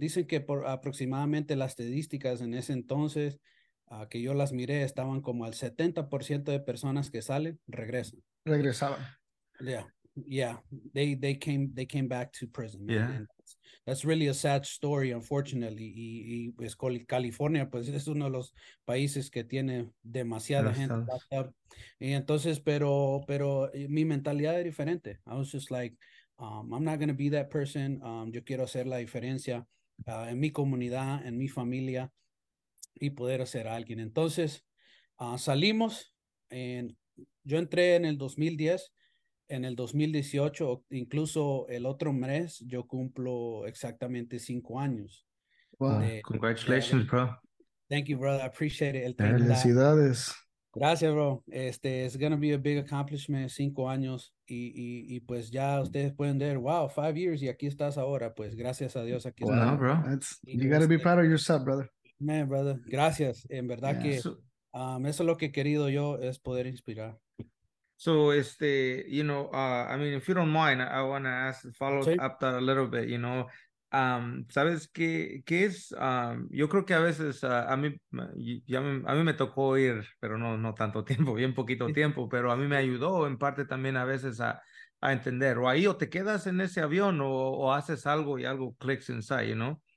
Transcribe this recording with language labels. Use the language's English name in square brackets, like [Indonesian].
[Spanish] Dicen que por aproximadamente las estadísticas en ese entonces que yo las miré estaban como al 70% de personas que salen regresan. Regresaban. [English] Yeah. They came back to prison. Yeah. That's really a sad story, unfortunately. [Spanish] Y pues California, pues es uno de los países que tiene demasiada gente. Y entonces, pero mi mentalidad es diferente. [English] I was just like, I'm not going to be that person. [Spanish] Yo quiero hacer la diferencia en mi comunidad, en mi familia y poder hacer a alguien. Entonces, salimos. Yo entré en el 2010. En el 2018, incluso el otro mes, yo cumplo exactamente 5 años. [English] Wow, congratulations, bro. Thank you, brother. I appreciate it. El [Spanish] 30. Felicidades. [English] Gracias, bro. It's going to be a big accomplishment, [Spanish] 5 años. Y pues ya ustedes pueden ver, wow, [English] 5 years, [Spanish] y aquí estás ahora. Pues gracias a Dios, aquí estás. [English] Wow, bro. You got to be proud of yourself, brother. Man, brother. Gracias. [Spanish] En verdad que eso es lo que he querido yo, es poder inspirar. [English] So, if you don't mind, I want to ask, follow up that a little bit, you know. [Spanish] ¿Sabes qué es? Yo creo que a veces a mí me tocó ir, pero no tanto tiempo, bien poquito tiempo, pero a mí me ayudó en parte también a veces a entender. O ahí o te quedas en ese avión o haces algo y algo [English] clicks inside, you know.